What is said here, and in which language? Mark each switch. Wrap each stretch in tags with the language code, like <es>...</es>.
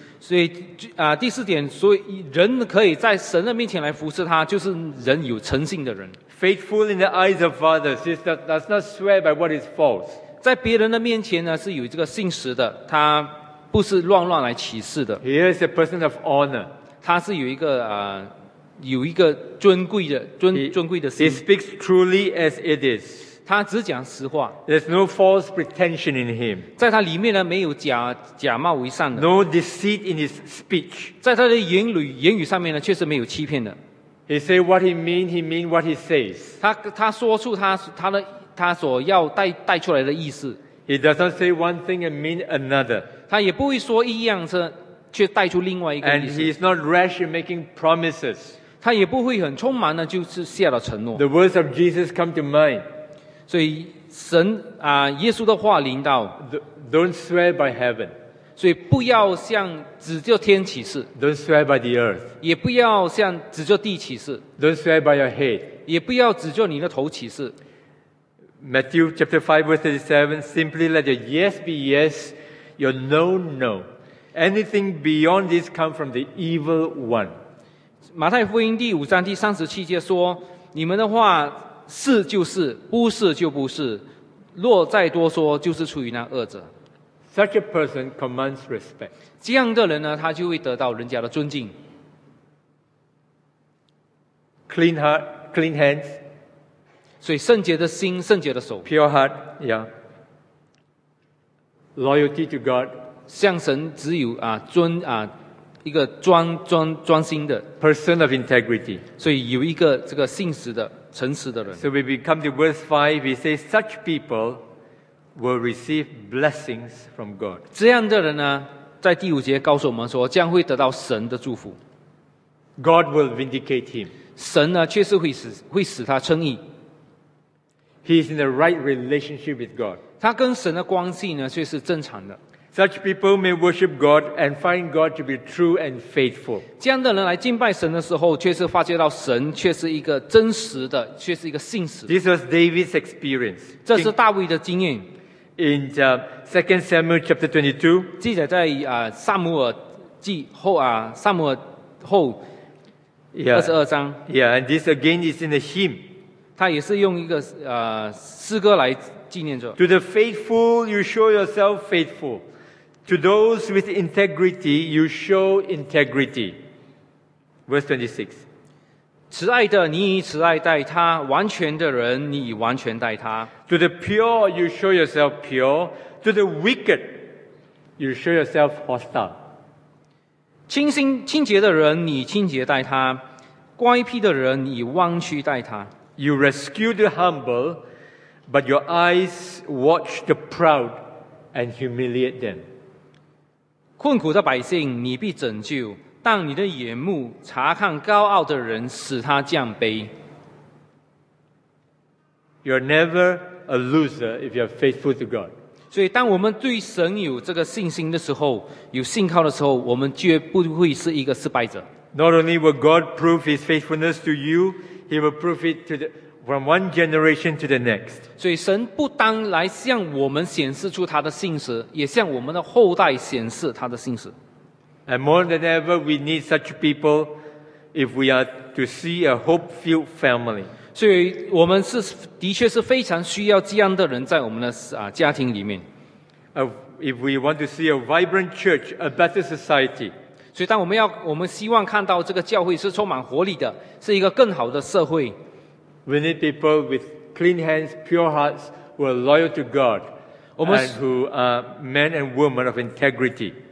<zh>所以第四点，所以人可以在神的面前来服侍他，就是人有诚信的人。</zh> <en>Faithful in the eyes of others, he does not swear by what is false.</en> <zh>在别人的面前呢，是有这个信实的，他。不是乱来起誓的。</zh> <en>He is a person of honor.</en> <zh>他是有一个尊贵的心。</zh> <en>He speaks truly as it is.</en> <zh>他只讲实话。</zh> <en>There's no false pretension in him.</en> <zh>在他里面呢，没有假冒为善的。</zh> <en>No deceit in his speech.</en> <zh>在他的言语上面呢，确实没有欺骗的。</zh> <en>He say what he mean, he mean what he says.</en> <zh>他说出他所要带出来的意思。</zh> <en>He doesn't say one thing and mean another.</en> <zh>他也不会说一样的，却带出另外一个意思。</zh> <en>And he is not rash in making promises.</en> <zh>他也不会很匆忙的，就是下了承诺。</zh> <en>The words of Jesus come to mind.</en> <zh>所以神啊，耶稣的话临到。</zh> <en>Don't swear by heaven.</en> <zh>所以不要向指着天起誓。</zh> <en>Don't swear by the earth.</en> <zh>也不要向指着地起誓。</zh> <en>Don't swear by your head.</en> <zh>也不要指着你的头起誓。</zh> <en>Matthew chapter 5 verse 37, simply let your yes be yes, your no, no. Anything beyond this comes from the evil one.</en> <zh>马太福音第五章第三十七节说，你们的话是就是，不是就不是，若再多说就是出于那恶者。</zh> <en>Such a person commands respect.</en> <zh>这样的人呢，他就会得到人家的尊敬。</zh> <en>Clean heart, clean hands.</en> <zh>所以圣洁的心，圣洁的手。</zh> <en>Pure heart, yeah. Loyalty to God.</en> <zh>向神只有一个专心的。</zh> <en>Person of integrity.</en> <zh>所以有一个这个信实的、诚实的人。</zh> <en>So we come to verse 5, we say such people will receive blessings from God.</en> <zh>这样的人呢，在第五节告诉我们说，将会得到神的祝福。</zh> <en>God will vindicate him.</en> <zh>神呢，确实会使他称义。</zh> <en>He is in the right relationship with God.</en> <zh>他跟神的关系呢，却是正常的。</zh> <en>Such people may worship God and find God to be true and faithful.</en> <zh>这样的人来敬拜神的时候，却是发觉到神却是一个真实的，却是一个信实的。</zh> <en>This was David's experience.</en> <zh>这是大卫的经验。</zh> <en>In 2 Samuel chapter 22,</en> <zh>记载在撒母耳记后啊，撒母耳后22章。</zh> <en>Yeah, and this again is in a hymn.</en> <zh>他也是用一个诗歌来纪念着。</zh> <en>To the faithful, you show yourself faithful. To those with integrity, you show integrity. Verse 26.</en> <zh>慈爱的，你以慈爱待他；完全的人，你以完全待他。</zh> <en>To the pure, you show yourself pure. To the wicked, you show yourself hostile.</en> <zh>清洁的人，你清洁待他；乖僻的人，你弯曲待他。</zh> <en>You rescue the humble, but your eyes watch the proud and humiliate them.</en> <zh>困苦的百姓你必拯救，但你的眼目查看高傲的人，使他降卑。</zh> <en>You're never a loser if you're faithful to God.</en> <zh>所以当我们对神有这个信心的时候，有信靠的时候，我们绝不会是一个失败者。</zh> <en>Not only will God prove his faithfulness to you,He will prove it to from one generation to the next.</en> <zh>所以神不单来向我们显示出他的信实，也向我们的后代显示他的信实。</zh> <en>And more than ever, we need such people if we are to see a hope-filled family.</en> <zh>所以我们是的确是非常需要这样的人在我们的家庭里面。</zh> <en>If we want to see a vibrant church, a better society.</en> <zh>所以当我们希望看到这个教会是充满活力的，是一个更好的社会。</zh> <en>We need people with clean hands, pure hearts, who are loyal to God, and who are men and women of integrity.</en>